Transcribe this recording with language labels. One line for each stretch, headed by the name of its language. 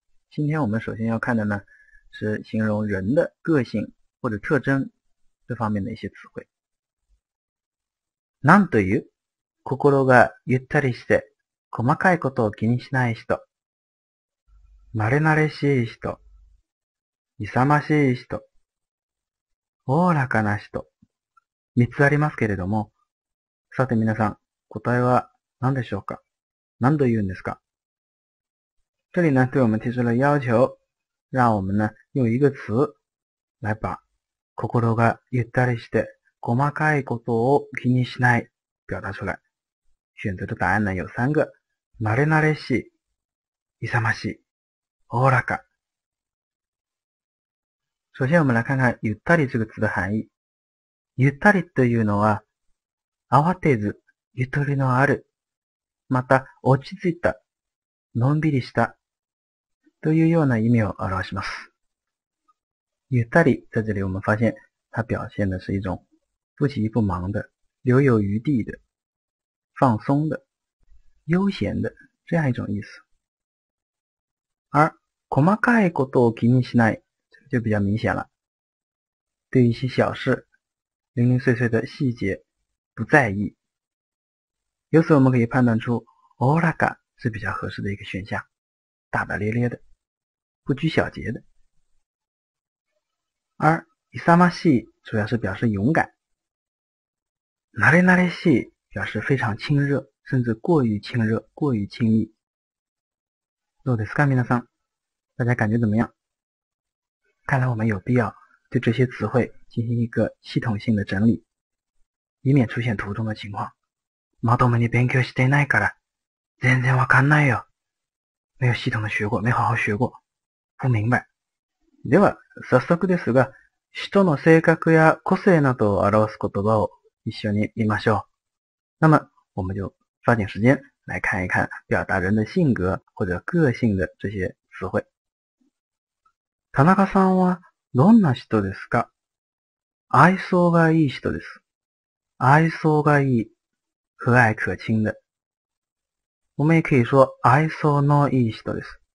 Chinese: 今天我们首先要看的呢，是形容人的个性或者特征这方面的一些词汇。
Japanese: なんという心がゆったりして細かいことを気にしない人。慣れ慣れしい人。勇ましい人。おおらかな人。三つありますけれども、さて皆さん、答えは何でしょうか？何と言うんですか？
Chinese: 这里呢，对我们提出了要求，让我们呢，用一个词来把心がゆったりして細かいことを気にしない表达出来。选择的答案呢，有三个。
Japanese: まれなれしい、勇ましい、おおらか。
Chinese: 首先我们来看看ゆったり这个词的含义。
Japanese: ゆったりというのは、慌てず、ゆとりのある、また、落ち着いた、のんびりした、というような意味を表します。
Chinese: ゆったり、在这里我们发现、它表现的是一种、不急不忙的、留有余地的、放松的、悠闲的、这样一种意思。而、細かいことを気にしない、这个就比较明显了。对于一些小事、零零碎碎的细节不在意。由此我们可以判断出オラカ是比较合适的一个选项。大大咧咧的。不拘小节的。而イサマシ主要是表示勇敢。ナレナレシ表示非常亲热甚至过于亲热过于亲密。どうですか皆さん。大家感觉怎么样？看来我们有必要对这些词汇进行一个系统性的整理，以免出现途中的情况。
Japanese: まともに勉強してないから、全然わかんないよ。
Chinese: 没有系统的学过，没好好学过，不明白。
Japanese: では、早速ですが、人の性格や個性などを表す言葉を一緒に見ましょう。
Chinese: 那么，我们就抓紧时间来看一看表达人的性格或者个性的这些词汇。
Japanese: 田中さんはどんな人ですか？愛想がいい人です。
Chinese: 愛想がいい。和蔼可亲的。我们也可以说、愛想のいい人です。